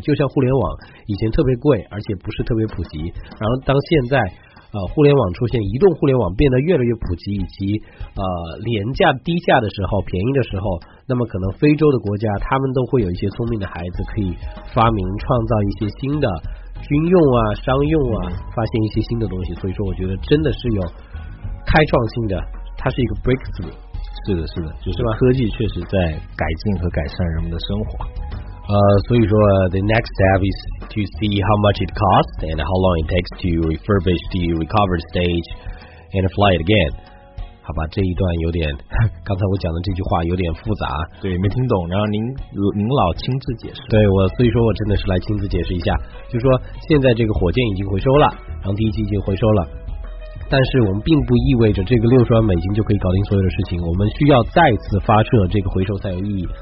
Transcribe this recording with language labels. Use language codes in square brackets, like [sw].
[zh] 就像互联网以前特别贵，而且不是特别普及，然后当现在互联网出现，移动互联网变得越来越普及，以及廉价低价的时候，便宜的时候，那么可能非洲的国家他们都会有一些聪明的孩子可以发明创造一些新的军用啊商用啊，发现一些新的东西。所以说我觉得真的是有开创性的，它是一个 breakthrough。是的是的，就是科技确实在改进和改善人们的生活。所以说 [en] the next step is to see how much it costs and how long it takes to refurbish the recovered stage and fly it again。 [zh] 好吧，这一段有点，刚才我讲的这句话有点复杂，对，没听懂，然后您老亲自解释。对，所以说我真的是来亲自解释一下，就说现在这个火箭已经回收了，然后第一期已经回收了，但是我们并不意味着这个60万美金就可以搞定所有的事情，我们需要再次发射这个回收才有意义。